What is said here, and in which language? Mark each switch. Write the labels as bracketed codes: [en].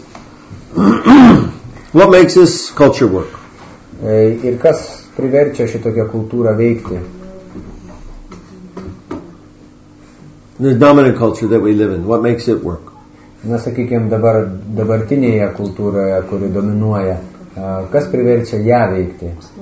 [en] What makes this culture work? [lt] Ir kas priverčia šitokią kultūrą veikti? [en] The dominant culture that we live in, what makes it work? [lt] Na, sakykime, dabartinėje kultūroje, kuri dominuoja, kas priverčia ją veikti?